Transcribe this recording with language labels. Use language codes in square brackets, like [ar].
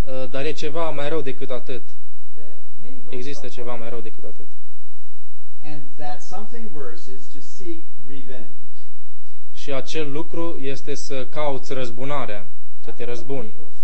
[ro] Dar e ceva mai rău decât atât. Există ceva mai rău decât atât. [en] And that something worse is to seek revenge. [ro] Și acel lucru este să cauți răzbunarea, să te răzbuni.